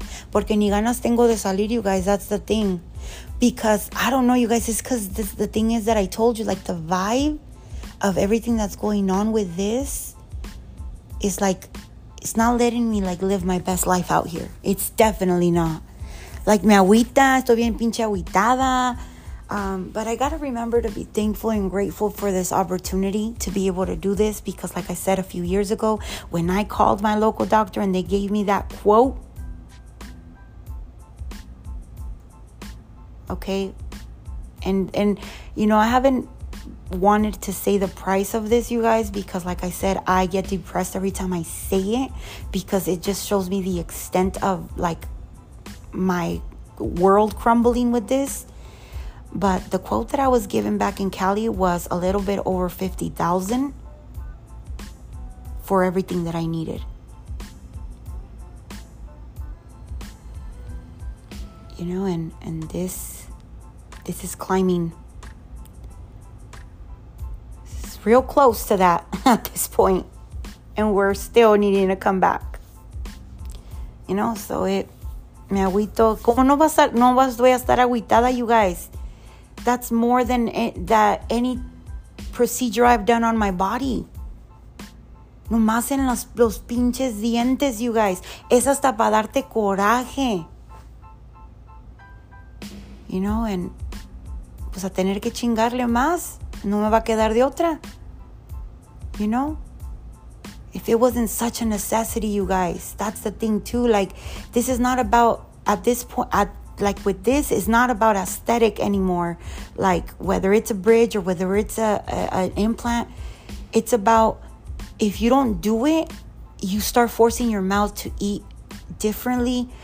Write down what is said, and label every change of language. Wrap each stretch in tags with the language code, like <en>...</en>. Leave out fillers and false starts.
<es>Porque ni ganas tengo de salir,</es> <en>you guys, that's the thing. Because, I don't know, you guys, it's because the thing is that I told you, like, the vibe of everything that's going on with this is, like, it's not letting me, like, live my best life out here. It's definitely not.</en> <es>Like, me agüita, estoy bien pinche agüitada.</es> <en>But I got to remember to be thankful and grateful for this opportunity to be able to do this. Because, like I said a few years ago, when I called my local doctor and they gave me that quote, okay, and you know, I haven't wanted to say the price of this, you guys, because like I said, I get depressed every time I say it, because it just shows me the extent of like my world crumbling with this. But the quote that I was given back in Cali was a little bit over $50,000 for everything that I needed. You know, and this is climbing. It's real close to that at this point. And we're still needing to come back. You know, so it,</en> <es>me agüito. ¿Cómo no vas a, no vas, voy a estar agüitada, you guys?</es> <en>That's more than it, that any procedure I've done on my body.</en> <es>No más en los pinches dientes, you guys. Es hasta para darte coraje. You know, and pues a tener que chingarle más, no me va a quedar de otra.</es> <en>You know, if it wasn't such a necessity, you guys, that's the thing too. Like, this is not about, at this point, at like with this, it's not about aesthetic anymore. Like, whether it's a bridge or whether it's an implant, it's about, if you don't do it, you start forcing your mouth to eat differently.</en>